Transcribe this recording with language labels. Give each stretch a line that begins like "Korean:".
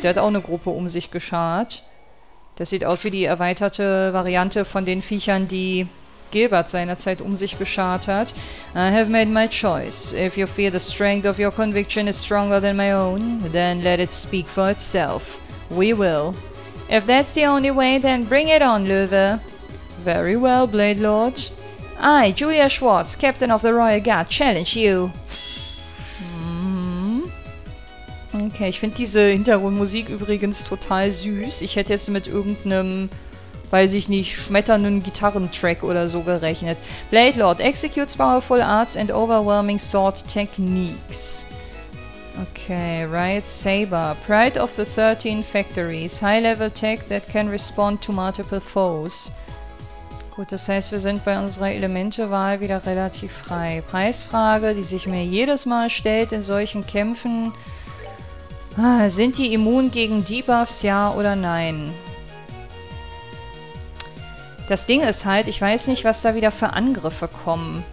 German: Der hat auch eine Gruppe um sich geschart. Das sieht aus wie die erweiterte Variante von den Viechern, die Gilbert seinerzeit um sich geschart hat.
English: I have made my choice. If you feel the strength of your conviction is stronger than my own, then let it speak for itself. We will. If that's the only way, then bring it on, Löwe. Very well, Blade Lord. I, Julia Schwartz, Captain of the Royal Guard, challenge you.
German: Okay, ich finde diese Hintergrundmusik übrigens total süß. Ich hätte jetzt mit irgendeinem, weiß ich nicht, schmetternden Gitarrentrack oder so gerechnet.
English: Blade Lord executes powerful arts and overwhelming sword techniques. Okay, Riot Saber. Pride of the 13 Factories. High level tech that can respond to multiple foes.
German: Gut, das heißt, wir sind bei unserer Elementewahl wieder relativ frei. Preisfrage, die sich mir jedes Mal stellt in solchen Kämpfen. Ah, sind die immun gegen Debuffs, ja oder nein? Das Ding ist halt, ich weiß nicht, was da wieder für Angriffe kommen.